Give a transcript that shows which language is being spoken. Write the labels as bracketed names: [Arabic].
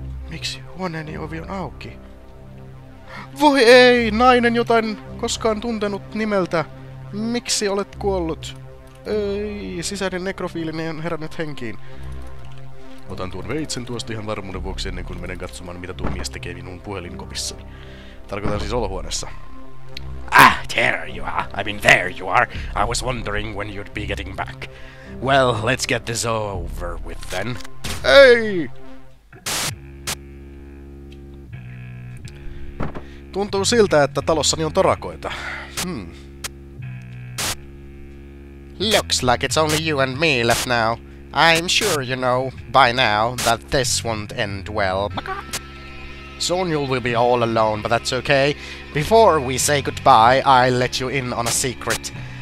[Finnish] Miksi huoneeni ovi on auki? Voi ei, nainen jotain koskaan tuntenut nimeltä. Miksi olet kuollut? Ei, sisäinen nekrofiilini on herännyt henkiin. Otan tuon veitsen tuosta ihan varmuuden vuoksi ennen kuin menen katsomaan, mitä tuo mies tekee minun puhelinkopissani. Tarkoitan siis olohuoneessa. [English] Ah, there you are. I mean, there you are. I was wondering when you'd be getting back. Well, let's get this over with then. Hey! [Finnish] Tuntuu siltä, että talossani on torakoita. [English] Looks like it's only you and me left now. I'm sure you know, by now, that this won't end well. Soon you will be all alone, but that's okay. Before we say goodbye, I'll let you in on a secret.